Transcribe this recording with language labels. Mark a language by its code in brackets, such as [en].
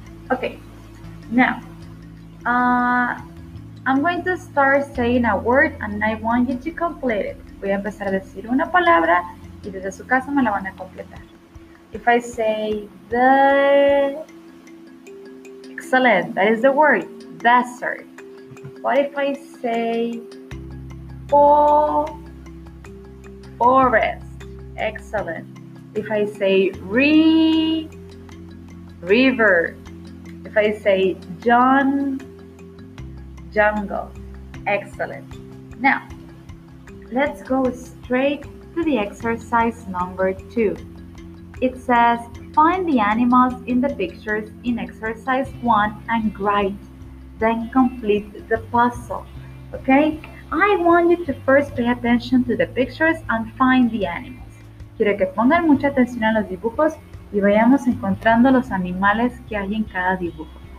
[en] Okay, now, I'm going to start saying a word and I want you to complete it. [es] Voy a empezar a decir una palabra y desde su casa me la van a completar. [en] If I say the, excellent, that is the word, desert. What if I say forest, excellent. If I say river, if I say jungle, excellent. Now, let's go straight to the exercise number two. It says, find the animals in the pictures in exercise one and write, then complete the puzzle, okay? I want you to first pay attention to the pictures and find the animals. [es] Quiero que pongan mucha atención a los dibujos y vayamos encontrando los animales que hay en cada dibujo.